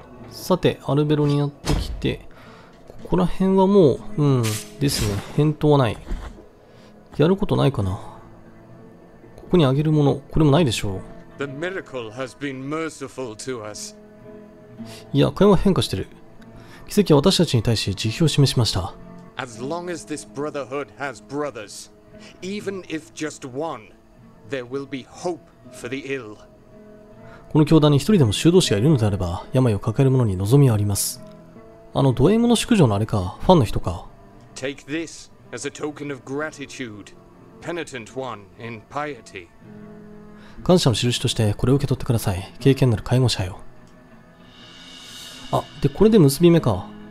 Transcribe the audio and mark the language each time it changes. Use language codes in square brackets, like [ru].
[ja] さて、アルベロにやってきて、ここら辺はもう、ですね。返答はない。やることないかな。ここにあげるもの、これもないでしょう。 [en] The miracle has been merciful to us. [ja] いや、これは変化してる。奇跡は私たちに対し慈悲を示しました。 [en] As long as this brotherhood has brothers, even if just one, there will be hope for the ill. [ja] この教団に一人でも修道士がいるのであれば、病を抱える者に望みはあります。あのド M の宿女のあれか、ファンの人か。 [en] Take this as a token of gratitude, penitent one in piety. [ja] 感謝の印としてこれを受け取ってください。敬虔なる介護者よ。あ、で、これで結び目か。